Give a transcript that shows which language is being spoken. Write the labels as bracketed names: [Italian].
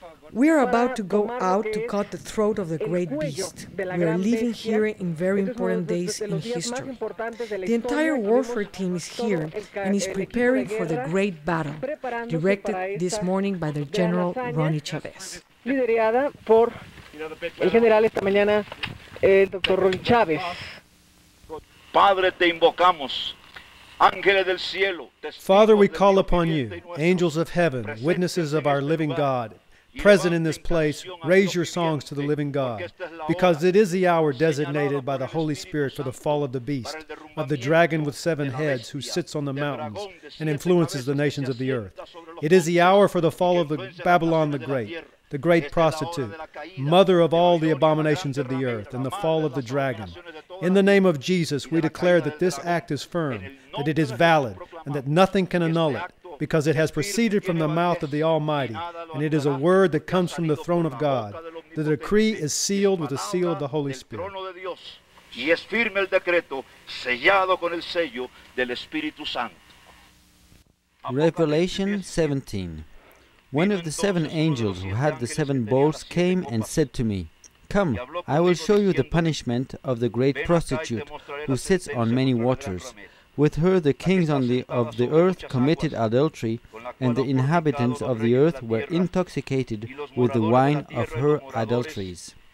[English] We are about to go out to cut the throat of the great beast. We are leaving here in very important days in history. The entire warfare team is here and is preparing for the great battle, directed this morning by the general Ronnie Chavez. [Spanish] Liderada por el general esta mañana, el doctor Ronnie Chavez. Padre, te invocamos. Ángeles del cielo, [English] Father, we call upon you, angels of heaven, witnesses of our living God, present in this place, raise your songs to the living God, because it is the hour designated by the Holy Spirit for the fall of the beast, of the dragon with seven heads who sits on the mountains and influences the nations of the earth. It is the hour for the fall of Babylon the great prostitute, mother of all the abominations of the earth, and the fall of the dragon. In the name of Jesus, we declare that this act is firm, that it is valid, and that nothing can annul it, because it has proceeded from the mouth of the Almighty, and it is a word that comes from the throne of God. The decree is sealed with the seal of the Holy Spirit. [Spanish] Y es firme el decreto, sellado con el sello del Espíritu Santo. [English] Revelation 17. One of the seven angels who had the seven bowls came and said to me, "Come, I will show you the punishment of the great prostitute who sits on many waters. With her the kings of the earth committed adultery, and the inhabitants of the earth were intoxicated with the wine of her adulteries."